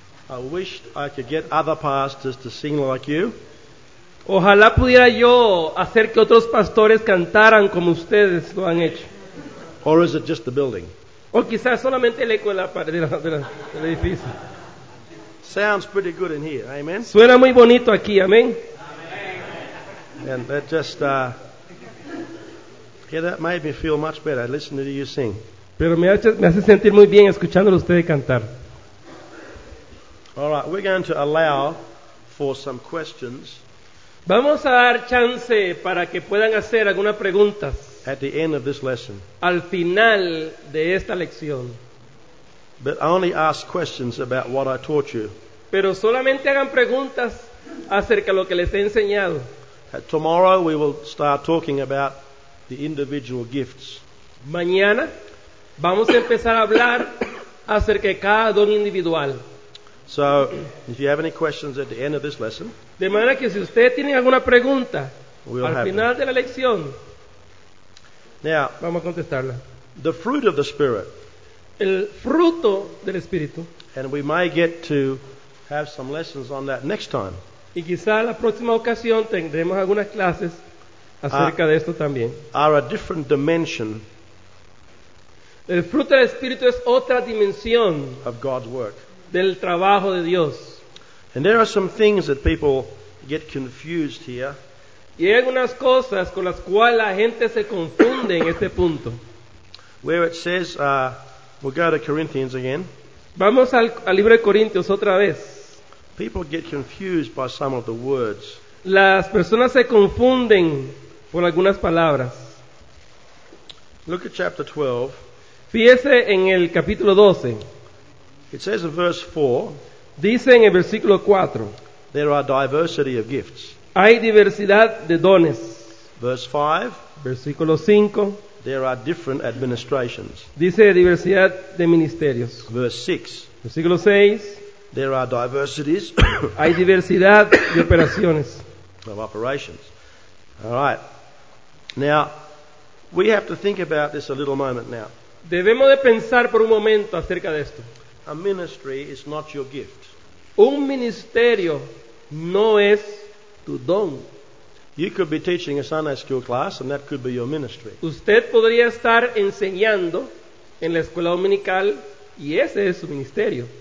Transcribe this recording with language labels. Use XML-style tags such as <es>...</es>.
<en>I wish I could get other pastors to sing like you.</en> <es>Ojalá pudiera yo hacer que otros pastores cantaran como ustedes lo han hecho.</es> <en>Or is it just the building?</en> <es>O quizás solamente el eco del edificio.</es> <en>Sounds pretty good in here, amen.</en> <es>Suena muy bonito aquí, amén.</es> <en>And that just yeah, that made me feel much better listening to you sing.</en> <es>Pero me hace sentir muy bien escuchándolo a ustedes cantar.</es> <en>All right, we're going to allow for some questions.</en> <es>Vamos a dar chance para que puedan hacer algunas preguntas.</es> <en>At the end of this lesson.</en> <es>Al final de esta lección.</es> <en>But only ask questions about what I taught you.</en> <es>Pero solamente hagan preguntas acerca de lo que les he enseñado.</es> <en>Tomorrow we will start talking about the individual gifts.</en> <es>Mañana vamos a empezar a hablar acerca de cada don individual.</es> <en>So, if you have any questions at the end of this lesson,</en> <es>de manera que si usted tiene alguna pregunta al final de la lección,</es> <en>now,</en> <es>vamos a contestarla.</es> <en>The fruit of the Spirit.</en> <es>El fruto del Espíritu.</es> <en>And we may get to have some lessons on that next time.</en> <es>Y quizá la próxima ocasión tendremos algunas clases acerca de esto también.</es> <en>Are a different dimension.</en> <es>El fruto del Espíritu es otra dimensión</es> <en>of God's work.</en> <es>Del trabajo de Dios.</es> <en>And there are some things that people get confused here.</en> <es>Y hay algunas cosas con las cuales la gente se confunde en este punto.</es> <en>Where it says, we'll go to Corinthians again.</en> <es>Vamos al libro de Corintios otra vez.</es> <en>People get confused by some of the words.</en> <es>Las personas se confunden por algunas palabras.</es> <en>Look at chapter 12.</en> <es>Fíjese en el capítulo 12.</es> <en>It says in verse 4.</en> <es>Dice en el versículo 4.</es> <en>There are diversity of gifts.</en> <es>Hay diversidad de dones.</es> <en>Verse 5.</en> <es>Versículo 5.</es> <en>There are different administrations.</en> <es>Dice diversidad de ministerios.</es> <en>Verse 6.</en> <es>Versículo 6.</es> <en>There are diversities.</en> <es>Hay diversidad de operaciones.</es> <en>Of operations. All right. Now, we have to think about this a little moment now.</en> <es>Debemos de pensar por un momento acerca de esto.</es> <en>A ministry is not your gift.</en> <es>Un ministerio no es tu don.</es> <en>You could be teaching a Sunday school class and that could be your ministry.</en> <es>Usted podría estar enseñando en la escuela dominical y ese es su ministerio.</es>